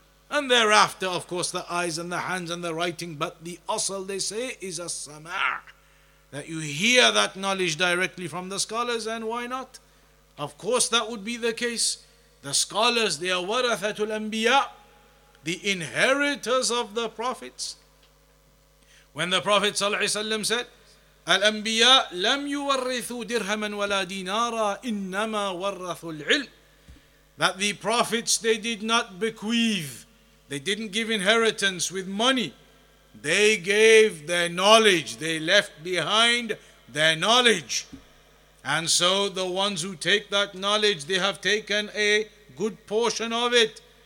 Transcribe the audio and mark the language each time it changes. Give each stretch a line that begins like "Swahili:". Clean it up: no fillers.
English: And thereafter, of course, the eyes and the hands and the writing, but the asal, they say, is a sama', that you hear that knowledge directly from the scholars. And why not? Of course, that would be the case. The scholars, they are warathatul anbiya, the inheritors of the prophets. When the Prophet ﷺ said,
Arabic: الأنبياء لم يورثوا درهما ولا دينارا إنما ورثوا العلم.
English: That the prophets, they did not bequeath, they didn't give inheritance with money, they gave their knowledge, they left behind their knowledge. And so the ones who take that knowledge, they have taken a good portion of it.